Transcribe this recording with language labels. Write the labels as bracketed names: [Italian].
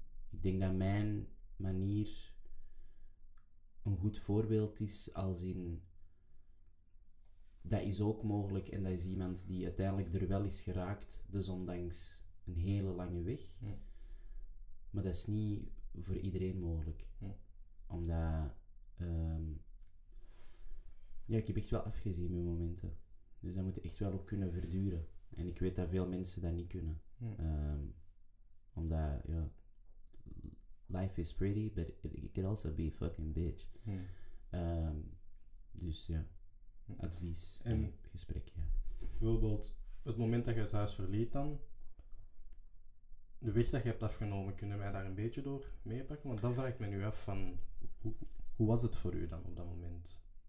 [Dutch] Ik denk dat mijn manier een goed voorbeeld is, als in dat is ook mogelijk en dat is iemand die uiteindelijk er wel is geraakt, dus ondanks een hele lange weg. Maar dat is niet voor iedereen mogelijk. Omdat ja, ik heb echt wel afgezien mijn momenten, dus dat moet echt wel ook kunnen verduren en ik weet dat veel mensen dat niet kunnen. Omdat ja, [English] life is pretty, but it can also be a fucking bitch. [Dutch] Dus ja, advies en gesprek, ja. Bijvoorbeeld, het moment dat je het huis verliet dan, de weg dat je hebt afgenomen, kunnen wij daar een beetje door meepakken? Want dan vraag ik me nu af van, hoe was het voor u dan op dat moment?